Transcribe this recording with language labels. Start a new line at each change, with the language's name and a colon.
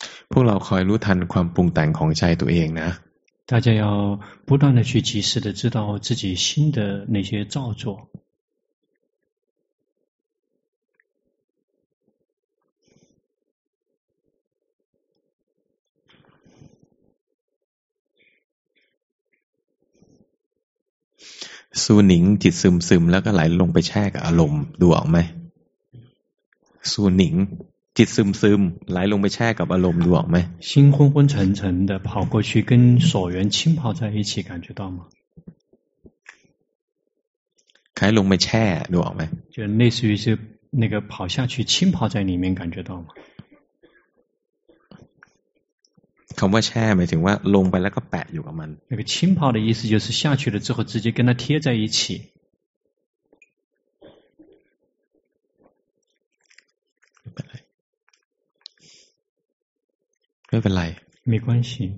Thai: พวกเราคอยรู้ทันความปรุงแต่งของใจตัวเองนะ
Chinese: 大家要不断的去及时的知道自己心的那些造作
Thai: 苏宁จิตซึมซึมแล้วก็ไหลลงไปแช่กับอารมณ์ดูออกไหมสุนิงจิตซึมซึมไหลลงไปแช่กับอารมณ์ดูออกไหม
Chinese: 心昏昏沉沉的跑过去跟所缘浸泡在一起感觉到吗
Thai: ไหลลงไปแช่ดูออกไหม
Chinese: 就类似于是那个跑下去浸泡在里面感觉到吗
Thai: คำว่าแช่หมายถึงว่าลงไปแล้วก็แปะอยู่กับมัน
Chinese: 那个浸泡的意思就是下去了之后直接跟它贴在一起
Thai: ไม่เป็นไร
Chinese: 没关系